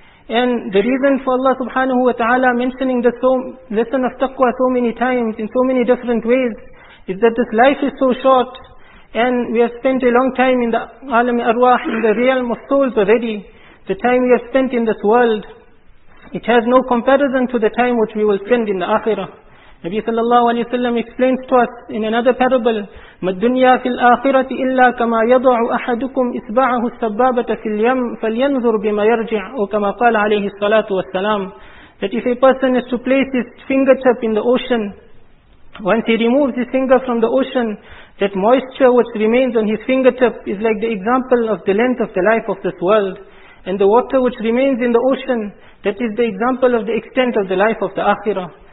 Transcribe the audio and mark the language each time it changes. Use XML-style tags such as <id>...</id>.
<en>And the reason for Allah subhanahu wa ta'ala mentioning the lesson of taqwa so many times in so many different ways is that this life is so short, and we have spent a long time in the alam arwah, in the realm of souls already. The time we have spent in this world, it has no comparison to the time which we will spend in the akhirah. Nabi sallallahu alayhi wa sallam explains to us in another parable,</en> <ar>مَالدُّنْيَا فِي الْآخِرَةِ إِلَّا كَمَا يَضَعُ أَحَدُكُمْ إِسْبَعَهُ السَّبَّابَةَ فِي الْيَمْ فَلْيَنْظُرُ بِمَا يَرْجِعُ أو كما قال عليه الصلاة والسلام.</ar> <en>That if a person is to place his fingertip in the ocean, once he removes his finger from the ocean, that moisture which remains on his fingertip is like the example of the length of the life of this world. And the water which remains in the ocean, that is the example of the extent of the life of the akhirah.</en>